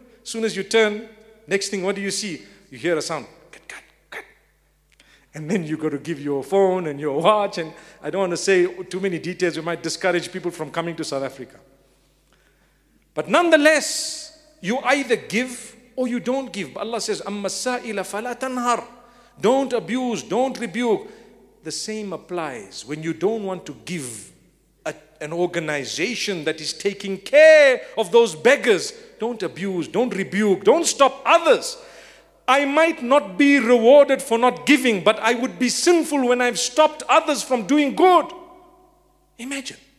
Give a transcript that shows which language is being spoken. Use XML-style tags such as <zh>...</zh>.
<en>As soon as you turn, next thing, what do you see? You hear a sound. Cut, cut, cut. And then you got to give your phone and your watch. And I don't want to say too many details. You might discourage people from coming to South Africa. But nonetheless, you either give or you don't give. Allah says,</en> <ar>أَمَّا السَّائِلَ فَلَا تَنْهَرْ.</ar> <en>Don't abuse, don't rebuke. The same applies when you don't want to give an organization that is taking care of those beggars. Don't abuse, don't rebuke, don't stop others. I might not be rewarded for not giving, but I would be sinful when I've stopped others from doing good. Imagine.</en>